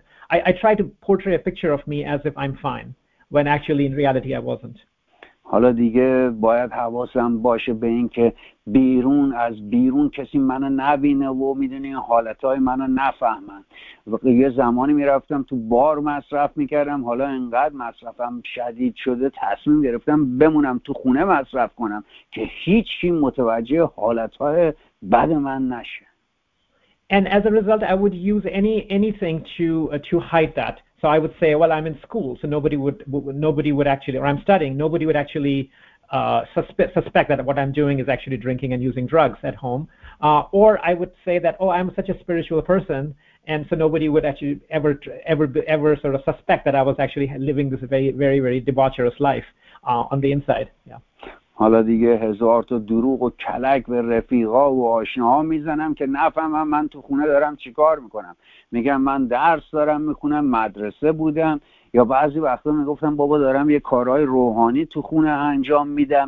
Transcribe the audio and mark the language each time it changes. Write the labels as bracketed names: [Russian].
[English] I tried to portray a picture of me as if I'm fine, when actually in reality I wasn't. [Persian] حالا دیگه باید حواسم باشه به این که بیرون از بیرون کسی منو نبینه و میدونی حالتهای منو نفهمن. یه زمانی میرفتم تو بار مصرف میکردم، حالا انقدر مصرفم شدید شده تصمیم گرفتم بمونم تو خونه مصرف کنم که هیچی متوجه حالتهای بد من نشه. [English] And as a result I would use anything to hide that. So I would say, well, I'm in school, so nobody would actually suspect that what I'm doing is actually drinking and using drugs at home. Or I would say that, oh, I'm such a spiritual person, and so nobody would actually ever sort of suspect that I was actually living this very, very, very debaucherous life on the inside. Yeah. [Persian] حالا دیگه هزار تا دروغ و کلک به رفیقا و آشناها میزنم که نفهمم من تو خونه دارم چیکار میکنم. میگم من درس دارم میخونم، مدرسه بودم، یا بعضی وقتا میگفتم بابا دارم یه کارهای روحانی تو خونه انجام میدم.